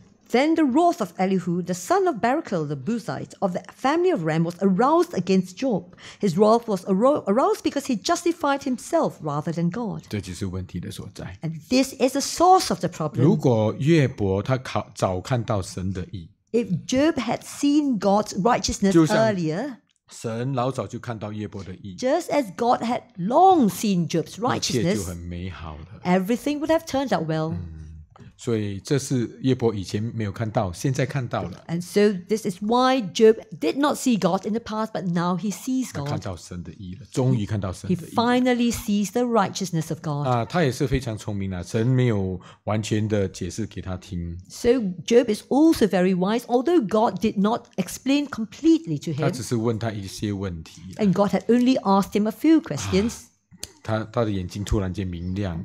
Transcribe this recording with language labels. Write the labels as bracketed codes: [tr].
[en] Then the wrath of Elihu, the son of Barakel, the Buzite, of the family of Ram, was aroused against Job. His wrath was aroused because he justified himself rather than God. [zh] 这就是问题的所在。 [en] And this is the source of the problem. [zh] 如果约伯他早看到神的义, [en] if Job had seen God's righteousness earlier, [zh] 神老早就看到耶伯的义, [en] just as God had long seen Job's righteousness, everything would have turned out well. [zh] 所以这是耶伯以前没有看到,现在看到了。 [en] And so this is why Job did not see God in the past, but now he sees God. [zh] 他看到神的义了,终于看到神的义了。 [en] He finally sees the righteousness of God. [zh] 他也是非常聪明啊,神没有完全的解释给他听。 [en] So Job is also very wise, although God did not explain completely to him. [zh] 他只是问他一些问题。 [en] And God had only asked him a few questions. [zh] 他的眼睛突然间明亮了。